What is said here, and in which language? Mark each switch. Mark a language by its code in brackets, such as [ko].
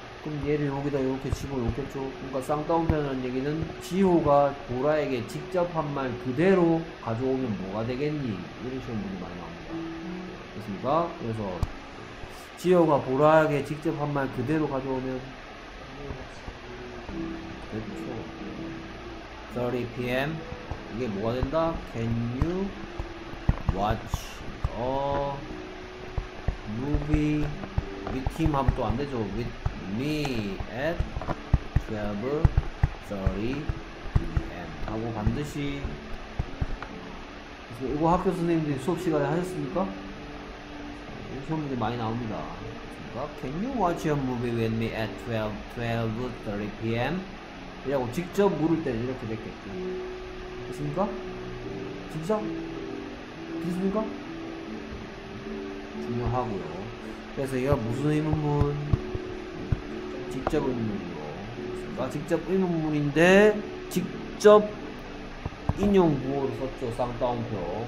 [ko] 그럼 얘를 여기다 이렇게 집어넣겠죠. 그러니까 쌍따옴표라는 얘기는 지호가 보라에게 직접 한 말 그대로 가져오면 뭐가 되겠니 이런 식으로 문이 많이 나옵니다. 됐습니까? 그래서 지호가 보라에게 직접 한 말 그대로 가져오면 됐죠. 30 PM 이게 뭐가 된다? [en] Can you watch a movie with him [ko] 하면 또 안되죠. [en] With me at 12:30 PM [ko] 하고 반드시 이거 학교 선생님들이 수업시간에 하셨습니까? 시험 문제 많이 나옵니다. [en] Can you watch a movie with me at 12:30 PM? [ko] 이라고 직접 물을 때 이렇게 됐겠죠. 됐습니까? 진짜? 됐습니까? 중요하고요. 그래서 이거 무슨 의문문? 직접 의문문이고. 그러니까 직접 의문문인데 직접 인용 부호를 썼죠. 쌍따옴표.